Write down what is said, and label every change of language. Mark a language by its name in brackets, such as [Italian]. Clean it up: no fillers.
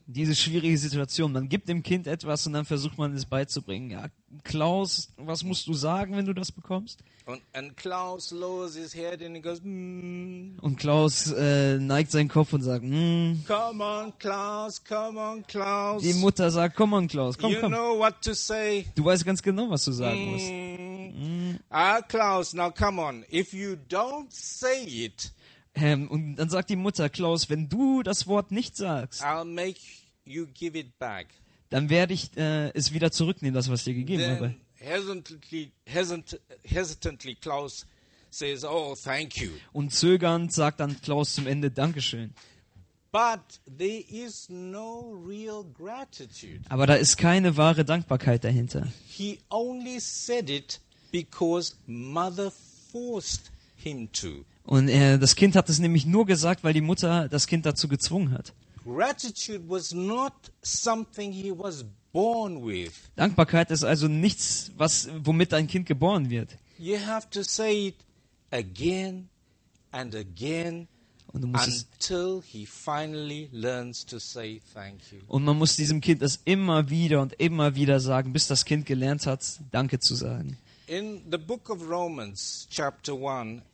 [German] Diese schwierige Situation, man gibt dem Kind etwas und dann versucht man es beizubringen. Ja, Klaus, was musst du sagen, wenn du das bekommst? [English] And Klaus lowers his head and he goes, [German] Und Klaus neigt seinen Kopf und sagt, [English] Come on, Klaus, come on, Klaus. [German] Die Mutter sagt, [English] come on, Klaus, [German] komm, [English] you [German] komm. [English] You know what to say. [German] Du weißt ganz genau, was du sagen musst. [English] Klaus, now come on. If you don't say it, [German] und dann sagt die Mutter, Klaus, wenn du das Wort nicht sagst, [English] I'll make you give it back. [German] Dann werde ich es wieder zurücknehmen, das, was ich dir gegeben [English] then [German] habe. [English] Hesitantly Klaus says, oh, thank you. [German] Und zögernd sagt dann Klaus zum Ende, Dankeschön. [English] But there is no real gratitude. [German] Aber da ist keine wahre Dankbarkeit dahinter. [English] He only said it because mother forced him to. [German] Und das Kind hat es nämlich nur gesagt, weil die Mutter das Kind dazu gezwungen hat. [English] Gratitude was not something he was born with. [German] Dankbarkeit ist also nichts, womit ein Kind geboren wird. [English] You have to say it again and again [German] und muss [English] until es, he finally learns to say thank you. [German] Und man muss diesem Kind das immer wieder sagen, bis das Kind gelernt hat, Danke zu sagen. [English] In the book of Romans, chapter 1,